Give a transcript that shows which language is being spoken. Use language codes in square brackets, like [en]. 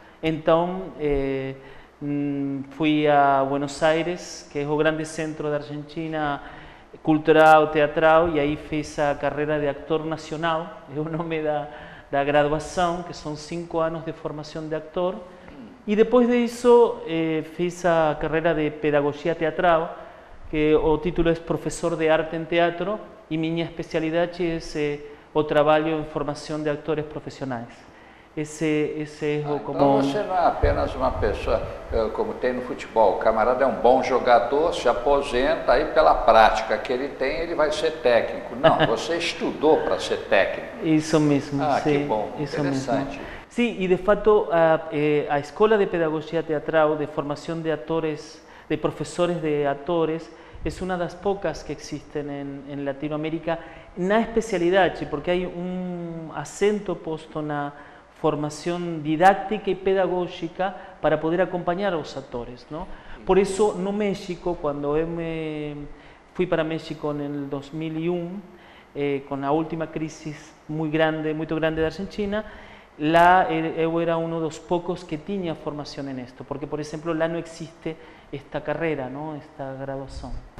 [es] Entonces, fui a Buenos Aires, que es el gran centro de Argentina, cultural, teatral, y ahí hice la carrera de actor nacional, es el nombre de la graduación, que son 5 años de formación de actor. Y después de eso, hice la carrera de pedagogía teatral, que o título es profesor de arte en teatro y mi especialidad es o trabajo en formación de actores profesionales. Ese es [pt] o como você não é apenas uma pessoa como tem no futebol. O camarada é um bom jogador, se aposenta aí pela prática que ele tem, ele vai ser técnico. Não, você estudou para ser técnico. Isso mesmo. Ah, sim, que bom, isso interessante. Sim, e de fato a escola de pedagogia teatral de formação de atores [es] de profesores de actores, es una de las pocas que existen en Latinoamérica, en la especialidad, porque hay un acento puesto en la formación didáctica y pedagógica para poder acompañar a los actores, ¿no? Por eso, en México, cuando fui para México en el 2001, con la última crisis muy grande, muy grande de Argentina, [pt] lá eu era um dos poucos que tinha formação em isto, porque, por exemplo, lá não existe esta carreira, não, esta graduação.